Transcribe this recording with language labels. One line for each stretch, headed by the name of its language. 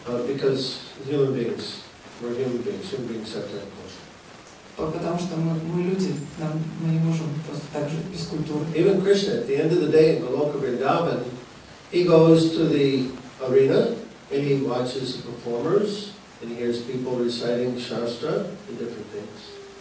English: Because human beings, we're human beings. Human beings have to have culture.
Russian: Потому что мы люди. Мы не можем просто так жить без культуры.
English: Even Krishna, at the end of the day, in Goloka Vrindavan, he goes to the arena and he watches the performers and he hears people reciting shastra and different things.